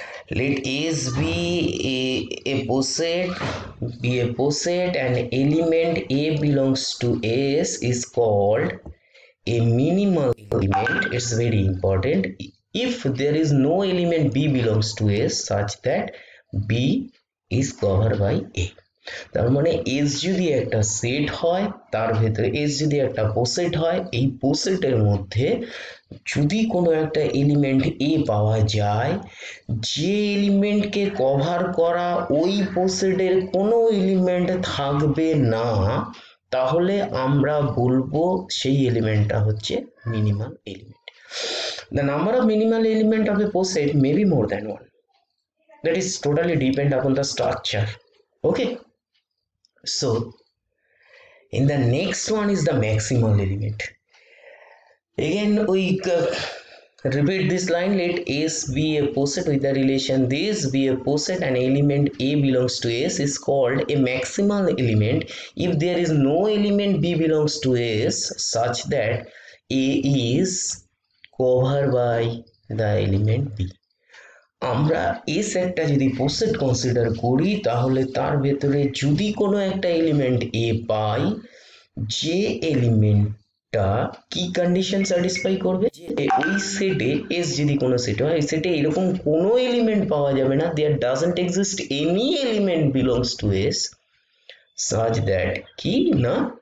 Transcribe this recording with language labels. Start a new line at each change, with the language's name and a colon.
English: Let S be a poset, be a poset and element A belongs to S is called a minimal element, it's very important, if there is no element B belongs to S such that B is covered by A.
Bangla: তার মানে S যদি একটা set হয় তার ভিতরে S যদি একটা পোসেট হয় এই পোসেটের মধ্যে যদি কোনো একটা এলিমেন্ট A পাওয়া যায় যে এলিমেন্টকে কভার করা ওই পোসেটের কোনো এলিমেন্ট থাকবে না তাহলে আমরা বলবো সেই এলিমেন্টটা হচ্ছে minimal element.
English: The number of minimal element of a poset may be more than one. That is totally depend upon the structure. Okay. So, in the next one is the maximal element. Again, we repeat this line. Let S be a poset with the relation this be a poset and element A belongs to S is called a maximal element if there is no element B belongs to S such that A is covered by the element B.
Bangla: আমরা S একটা যদি পোসেট consider করি তাহলে তার ভেতরে যদি কোনো একটা এলিমেন্ট এ পাই যে এলিমেন্টটা কি কন্ডিশন স্যাটিসফাই করবে যে ওই সেটে এস যদি কোনো সেট হয় এই সেটে এরকম কোনো এলিমেন্ট পাওয়া যাবে না
English: there doesn't exist any element belongs to S such that
Bangla: কি না